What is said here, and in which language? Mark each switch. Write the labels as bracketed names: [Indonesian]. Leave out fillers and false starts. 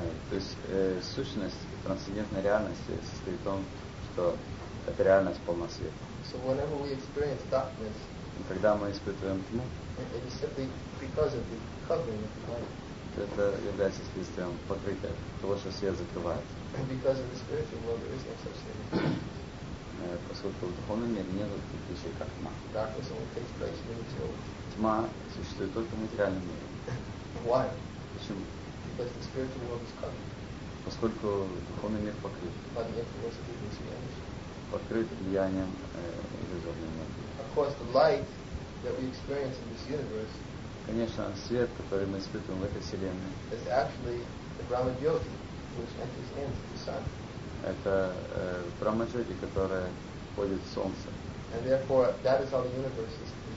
[Russian] То есть сущность трансцендентной реальности состоит в том, что эта реальность полна света. [English] So whenever we experience darkness, [Russian] когда мы испытываем тьму, [English] it is simply because of the covering of light. [Russian] Это является следствием покрытия, того, что свет закрывает. [English] And because of the spiritual world, there is no such thing. [Russian] Поскольку в духовном мире нет таких вещей, как тьма. [English] Darkness only takes place in the soul. [Russian] Тьма существует только в материальном мире. [English] Why? [Russian] Почему? [English] Because the spiritual world is covered. [Russian] Поскольку духовный мир покрыт. [English] By the influence of the illusion. [Russian] Покрыт влиянием иллюзорной энергии. [English] Of course, the light that we experience in this universe. [Russian] Конечно, свет, который мы испытываем в этой вселенной. [English] Is actually the Brahma Jyoti, which enters into the sun. [Russian] Это Брахма Джоти, которая входит в солнце. [English] And therefore, that is how the universe is.